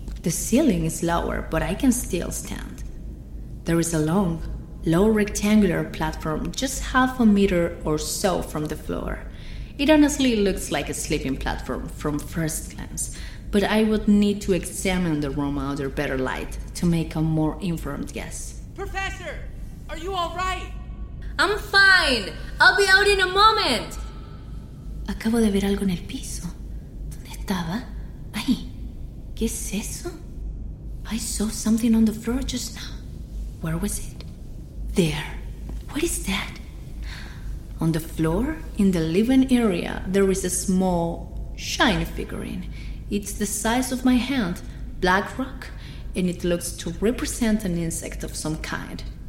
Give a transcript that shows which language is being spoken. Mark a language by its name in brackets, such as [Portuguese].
[English] The ceiling is lower, but I can still stand. There is a long, low rectangular platform just half a meter or so from the floor. It honestly looks like a sleeping platform from first glance, but I would need to examine the room under better light to make a more informed guess. Professor, are you all right? I'm fine. I'll be out in a moment. [Spanish] Acabo de ver algo en el piso. ¿Dónde estaba? Ay, ¿qué es eso? [English] I saw something on the floor just now. Where was it? There. What is that? On the floor, in the living area, there is a small, shiny figurine. It's the size of my hand, black rock, and it looks to represent an insect of some kind.